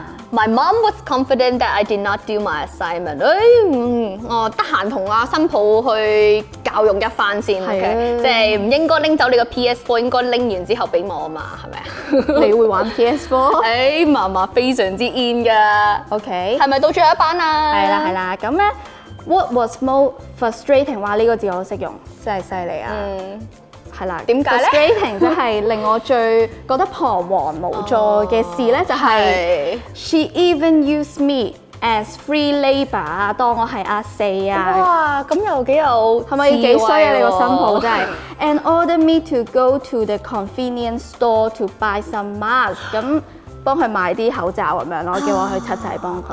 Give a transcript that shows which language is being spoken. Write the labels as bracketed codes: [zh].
[en] My mom was confident that I did not do my assignment。 [yue] 哎，我得閒同阿新抱去教育一番先。係啊，即係唔應該拎走你個 PS4， 應該拎完之後俾我嘛，係咪啊？你會玩 PS4？哎，嫲嫲非常之 in 噶。 OK，係咪到最後一班啊？係啦，係啦。咁咧 ， [en] What was most frustrating？ [yue] 哇，呢個字我都識用，真係犀利啊！係啦。點解咧？Skating 即係令我最覺得彷徨無助嘅事咧，就係 [en] she even use me as free labour [yue] 啊，當我係阿四啊。哇，咁又幾有智慧，係咪幾衰啊？你個新抱真係。 [en] And order me to go to the convenience store to buy some masks [yue] 咁。幫佢買啲口罩咁樣咯，叫我去七仔幫佢。